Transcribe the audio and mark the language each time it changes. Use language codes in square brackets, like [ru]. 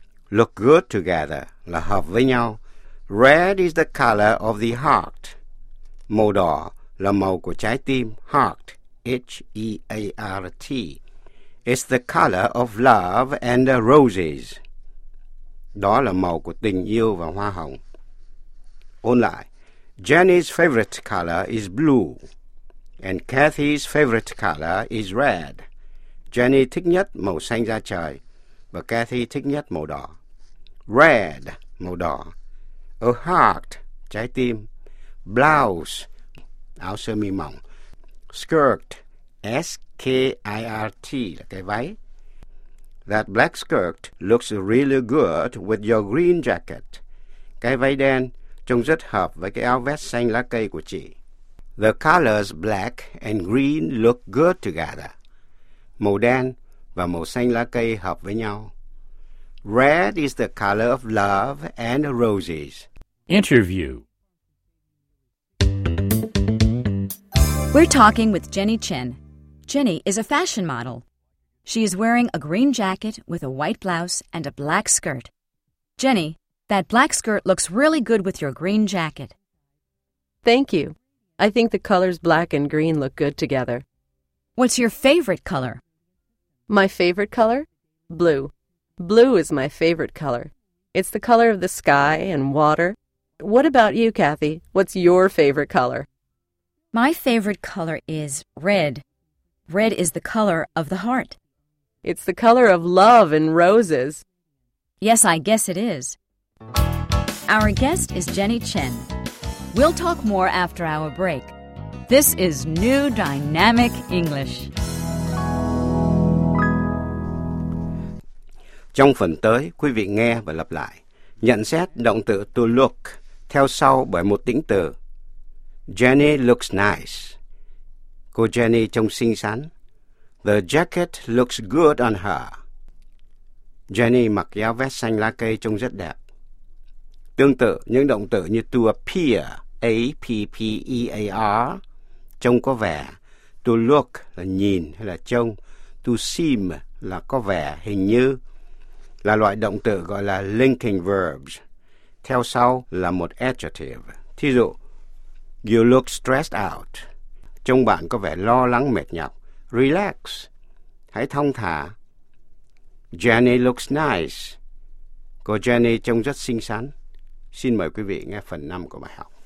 [en] Look good together [vi] là hợp với nhau. [en] Red is the color of the heart. [vi] Màu đỏ là màu của trái tim. [en] Heart. H-E-A-R-T. It's the color of love and roses. [vi] Đó là màu của tình yêu và hoa hồng. Ôn lại. [en] Jenny's favorite color is blue. And Kathy's favorite color is red. [vi] Jenny thích nhất màu xanh da trời. Và Kathy thích nhất màu đỏ. Red, màu đỏ. A heart, trái tim. Blouse, áo sơ mi mỏng. Skirt, S-K-I-R-T, là cái váy. [en] That black skirt looks really good with your green jacket. [vi] Cái váy đen trông rất hợp với cái áo vest xanh lá cây của chị. [en] The colors black and green look good together. [vi] Màu đen và màu xanh lá cây hợp với nhau. [en] Red is the color of love and roses. Interview. We're talking with Jenny Chen. Jenny is a fashion model. She is wearing a green jacket with a white blouse and a black skirt. Jenny, that black skirt looks really good with your green jacket. Thank you. I think the colors black and green look good together. What's your favorite color? My favorite color? Blue. Blue is my favorite color. It's the color of the sky and water. What about you, Kathy? What's your favorite color? My favorite color is red. Red is the color of the heart. It's the color of love and roses. Yes, I guess it is. Our guest is Jenny Chen. We'll talk more after our break. This is New Dynamic English. [vi] Trong phần tới, quý vị nghe và lặp lại. Nhận xét động từ to look theo sau bởi một tính từ. [en] Jenny looks nice. [vi] Cô Jenny trông xinh xắn. [en] The jacket looks good on her. [vi] Jenny mặc áo vest xanh lá cây trông rất đẹp. Tương tự, những động từ như to appear, A-P-P-E-A-R, trông có vẻ. To look là nhìn hay là trông. To seem là có vẻ, hình như. Là loại động từ gọi là linking verbs. Theo sau là một adjective. Thí dụ, [en] you look stressed out. [vi] Trông bạn có vẻ lo lắng mệt nhọc. [en] Relax. [vi] Hãy thong thả. [en] Jenny looks nice. [vi] Cô Jenny trông rất xinh xắn. Xin mời quý vị nghe phần 5 của bài học.